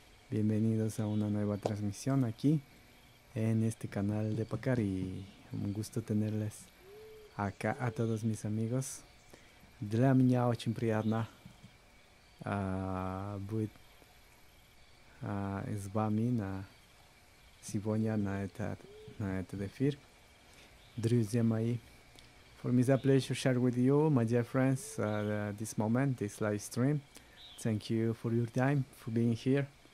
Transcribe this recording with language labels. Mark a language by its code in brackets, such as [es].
[es] Bienvenidos a una nueva transmisión aquí en este canal de Pacari. Un gusto tenerles. Acá a todos mis amigos. [ru] Для меня очень приятно быть с вами на сегодня на этот эфир. Друзья мои, [en] for me it's a pleasure to share with you, my dear friends, this moment, this live stream. Thank you for your time, for being here.